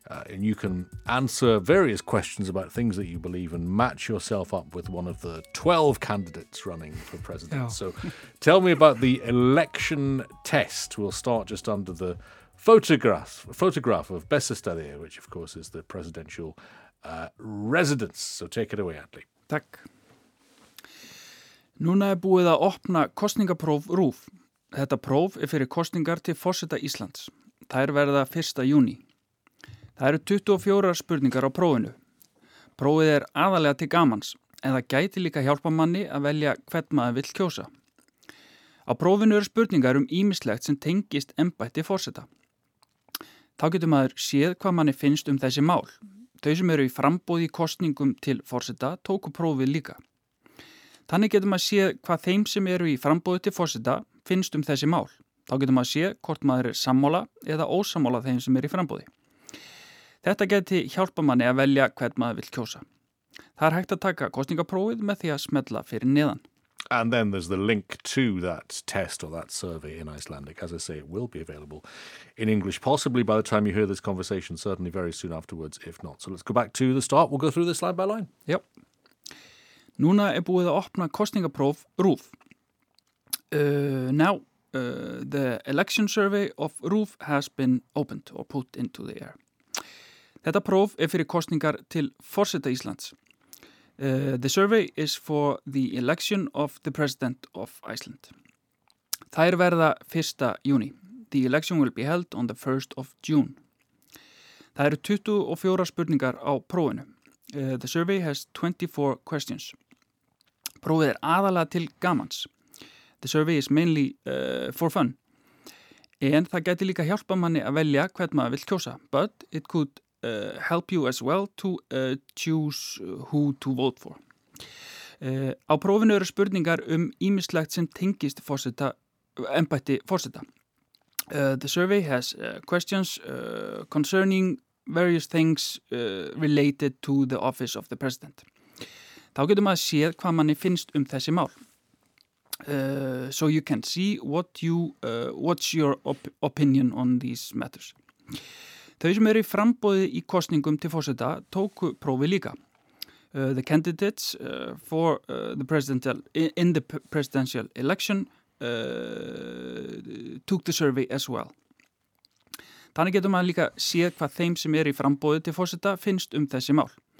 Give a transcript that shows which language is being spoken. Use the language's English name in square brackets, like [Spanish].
[English] And you can answer various questions about things that you believe and match yourself up with one of the 12 candidates running for president. Yeah. So tell me about the election test. We'll start just under the photograph of Bessastaðir, which, of course, is the presidential residence. So take it away, Atli. [Icelandic] Takk. Núna búið að opna kosningapróf RÚV. Þetta próf fyrir kosningar til forseta Íslands. Þær verða 1. júní. Það eru 24 spurningar á prófinu. Prófið aðalega til gamans, en það gæti líka hjálpa manni að velja hvern maður vill kjósa. Á prófinu eru spurningar ýmislegt sem tengist embætti forseta. Þá getur maður séð hvað manni finnst þessi mál. Þau sem eru í framboði í kosningum til forseta tóku prófið líka. Þannig getur maður séð hvað þeim sem eru í framboði til forseta finnst þessi mál. Þá getur maður séð hvort maður sammála eða ósammála þeim sem eru í framboði. Þetta geti hjálpa manni að velja hvern maður vill kjósa. Það hægt að taka kosningaprófið með því að smella fyrir neðan. [English] And then there's the link to that test or that survey in Icelandic. As I say, it will be available in English, possibly by the time you hear this conversation, certainly very soon afterwards, if not. So let's go back to the start. We'll go through this line by line. Yep. [Icelandic] Núna búið að opna kosningapróf RÚV. [English] Now, the election survey of RÚV has been opened or put into the air. [Icelandic] Þetta próf fyrir kosningar til forseta Íslands. [English] The survey is for the election of the president of Iceland. [Icelandic] Þær verða 1. júní. [English] The election will be held on the 1st of June. [Icelandic] Það eru 24 spurningar á prófinu. [English] The survey has 24 questions. [Icelandic] Prófið aðalega til gamans. [English] The survey is mainly for fun. [Icelandic] En það gæti líka hjálpa manni að velja hvern maður vill kjósa. [English] But it could help you as well to choose who to vote for. [Icelandic] Á prófinu eru spurningar ýmislegt sem tengist forseta, embætti forseta. [English] The survey has questions concerning various things related to the office of the president. [Icelandic] Þá getum að séð hvað manni finnst þessi mál. [English] So you can see what you what's your opinion on these matters. [Icelandic] Þau sem eru í framboði í kosningum til forseta tóku prófi líka. [English] The candidates for the presidential in the presidential election took the survey as well. [Icelandic] Þannig getur maður líka séð hvað þeim sem eru í framboði til forseta finnst þessi mál.